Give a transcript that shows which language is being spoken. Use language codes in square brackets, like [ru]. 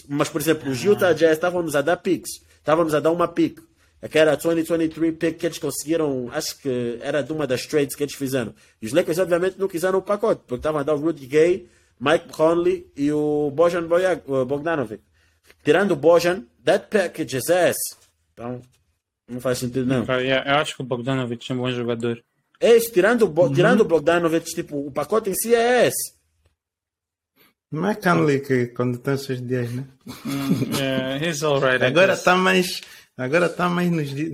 [pt] Mas, por exemplo, os Utah Jazz estávamos a dar picks. Estávamos a dar uma pick. Aquela 2023 pick que eles conseguiram, acho que era de uma das trades que eles fizeram. E os Lakers, obviamente, não quiseram o pacote, porque estavam a dar o Rudy Gay, Mike Conley e o Bojan Bogdanovic. Tirando o Bojan, [en] that package is ass. [pt] Então, não faz sentido, não. Eu acho que o Bogdanovic é um bom jogador. É isso, tirando o Bogdanovic, tipo, o pacote em si é ass. Não é Canley que quando tem os seus dias, né? [en] He's alright. [pt] Agora tá mais nos dias.